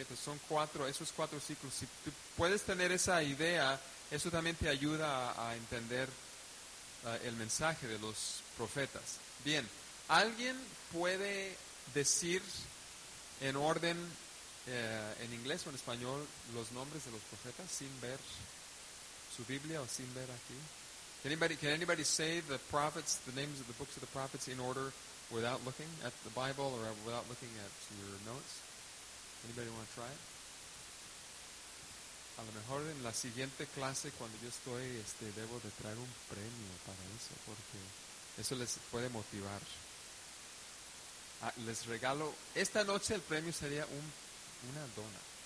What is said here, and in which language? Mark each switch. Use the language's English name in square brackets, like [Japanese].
[Spanish] Entonces son cuatro, esos cuatro ciclos. Si tú puedes tener esa idea, eso también te ayuda a entender el mensaje de los profetas. Bien, ¿alguien puede decir en orden, en inglés o en español, los nombres de los profetas sin ver su Biblia o sin ver aquí? [English] Can anybody say the prophets, the names of the books of the prophets in order without looking at the Bible or without looking at your notes? Anybody want to try it? [Spanish] A lo mejor en la siguiente clase cuando yo estoy, debo de traer un premio para eso, porque eso les puede motivar. Les regalo, esta noche el premio sería una dona.